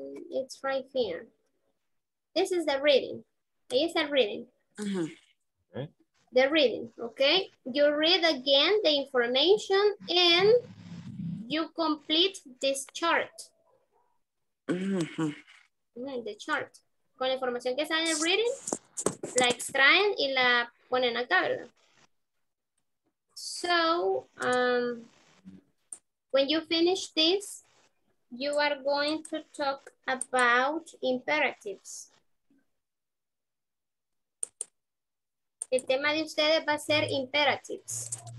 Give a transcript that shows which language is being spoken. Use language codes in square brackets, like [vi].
[en] It's right here. This is the reading. [es] Ahí está el reading. Uh-huh. [en] Okay. The reading, okay? You read again the information and you complete this chart. The chart. [es] Con la información que está en el reading, la extraen y la ponen acá, ¿verdad? [en] So, when you finish this, you are going to talk about imperatives. [es] El tema de ustedes va a ser imperatives.